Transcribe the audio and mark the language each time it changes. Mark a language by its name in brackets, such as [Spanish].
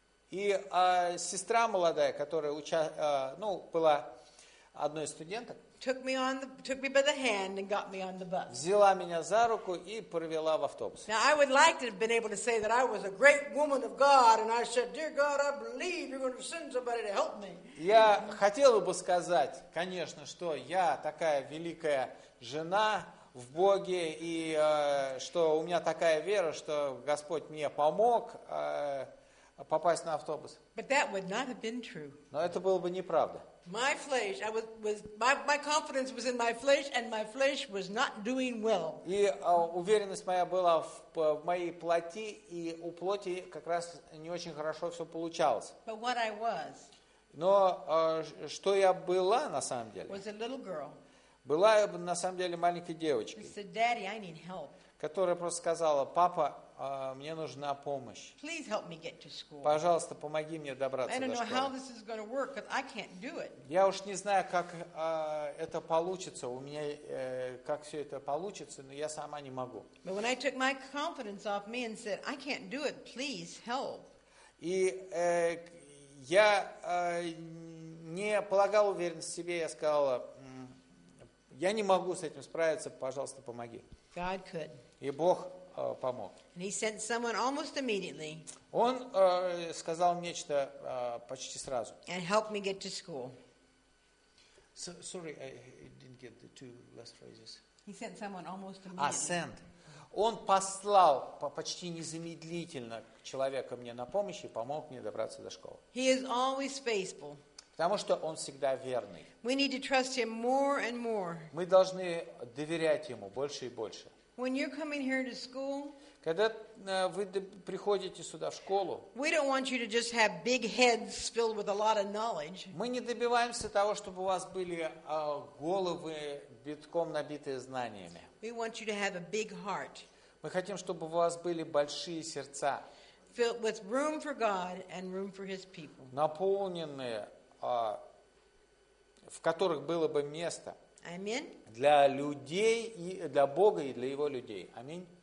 [Russian] И сестра молодая, которая ну, была одной из студенток. [English] Took me by the hand and got me on the bus. [Russian] Взяла меня за руку и провела в автобус. [English] Now I would like to have been able to say that I was a great woman of God, and I said, "Dear God, I believe you're going to send somebody to help me." [Russian] Я хотела бы сказать, конечно, что я такая великая жена в Боге и что у меня такая вера, что Господь мне помог попасть на автобус. [English] But that would not have been true. [Russian] Но это было бы неправда. [English] My flesh, I was my confidence was in my flesh, and my flesh was not doing well. [Russian] И уверенность моя была в моей плоти, и у плоти как раз не очень хорошо все получалось. [English] But what I was. [Russian] Но что я была на самом деле? [English] Was a little girl. [Russian] Была я на самом деле маленькой девочкой. [English] She said, "Daddy, I need help." [Russian] Которая просто сказала: "Папа, мне нужна помощь. [English] Please help me get to school. [Russian] Пожалуйста, помоги мне добраться до школы. [English] How this is going to work, because I can't do it. [Russian] Я уж не знаю, как это получится. У меня как все это получится, но я сама не могу. [English] But when I took my confidence off me and said, "I can't do it. Please help." [Russian] И я не полагал уверенность в себе. Я сказала: "Я не могу с этим справиться. Пожалуйста, помоги." [English] God could. [Russian] И Бог помог. [English] And he sent someone almost immediately. [Russian] Он сказал нечто почти сразу. [English] And helped me get to school. So, sorry, I didn't get the two last phrases. He sent someone almost immediately. Sent. [Russian] Он послал почти незамедлительно человека мне на помощь и помог мне добраться до школы. [English] He is always faithful. [Russian] Потому что он всегда верный. [English] We need to trust him more and more. [Russian] Мы должны доверять ему больше и больше. [English] When you're coming here to school, [Russian] когда вы приходите сюда в школу, [English] we don't want you to just have big heads filled with a lot of knowledge. [Russian] Мы не добиваемся того, чтобы у вас были головы битком набитые знаниями. [English] We want you to have a big heart. [Russian] Мы хотим, чтобы у вас были большие сердца. [English] Filled with room for God and room for His people. [Russian] Наполненные, в которых было бы место. Аминь. Для людей, и для Бога и для Его людей. Аминь.